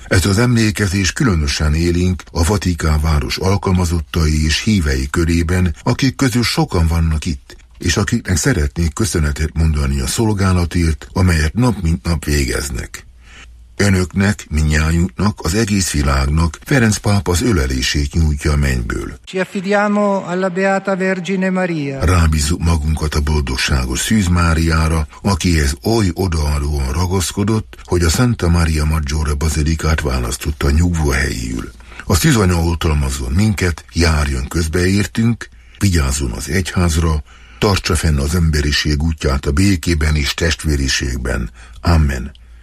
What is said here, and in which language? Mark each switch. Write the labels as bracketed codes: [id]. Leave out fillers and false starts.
[hu] Ez az emlékezés különösen élénk a Vatikán város alkalmazottai és hívei körében, akik közül sokan vannak itt, és akiknek szeretnék köszönetet mondani a szolgálatért, amelyet nap mint nap végeznek. Önöknek, mindnyájunknak, az egész világnak Ferenc pápa az ölelését nyújtja a mennyből. [it] Ci affidiamo alla Beata Vergine Maria. [hu] Rábízzuk magunkat a boldogságos Szűz Máriára, akihez oly odaadóan ragaszkodott, hogy a Santa Maria Maggiore Bazilikát választotta nyugvó helyül. A szűzanya oltalmazzon minket, járjon közbeértünk, vigyázzon az egyházra, tartsa fenn az emberiség útját a békében és testvériségben. Amen.